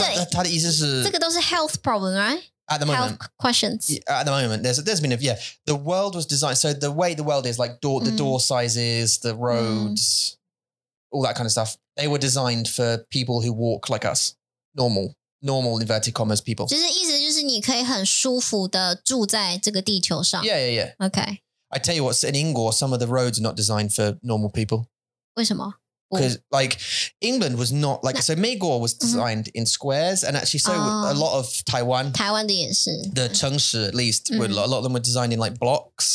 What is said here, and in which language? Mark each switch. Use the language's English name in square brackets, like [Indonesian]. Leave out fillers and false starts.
[Chinese] 他的意思是... 这个都是 [English] health problem, right? At the moment. Health questions. Yeah, at the moment. There's been a... Yeah. The world was designed... So the way the world is, like the door sizes, the roads, all that kind of stuff, they were designed for people who walk like us. Normal, inverted commas, people. [Chinese] 就是意思就是你可以很舒服的住在这个地球上。 [English] Yeah, yeah, yeah. Okay. I tell you what, in Ingor, some of the roads are not designed for normal people. [Chinese] 为什么? [English] Because, like, England was not, like, so Meigor was designed in squares, and actually so a lot of Taiwan. [Chinese] 台湾的也是. [English] The 城市, at least, were, a lot of them were designed in, like, blocks.